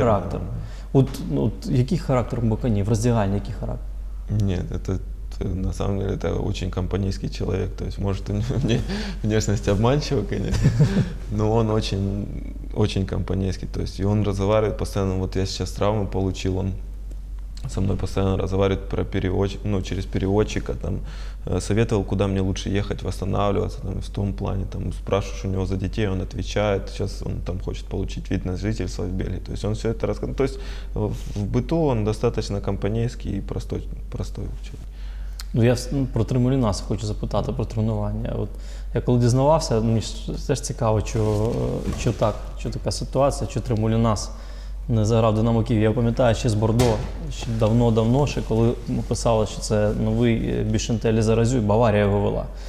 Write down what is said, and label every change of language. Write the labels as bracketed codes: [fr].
[uk] Характер. От який характер Мбокані? В роздягальні який характер? Ні, це насправді дуже компанійський чоловік. Тобто, може, у нього [ru] внешність обманчива, [uk] звісно. Але він дуже компанійський. Тобто, і він розмовляє постійно. От я зараз травму отримав, він [ru] со мной постоянно разговаривает про через переводчика, там, советовал, куда мне лучше ехать, восстанавливаться, там, в том плане, там, спрашиваешь у него за детей, он отвечает, сейчас он там хочет получить вид на жительство в Бельгии, то есть он все это рассказывает, то есть в быту он достаточно компанейский и простой человек. [uk] Ну, я про Тремулінаса хочу запитати, про тренування. От, я коли дізнавався, мені теж цікаво, чи така ситуація, чи Тремулінас не заграв Динамо Київ. Я пам'ятаю ще з Бордо, ще давно-давно, ще коли ми писали, що це новий Бішентелі Заразюй, Баварія його вела.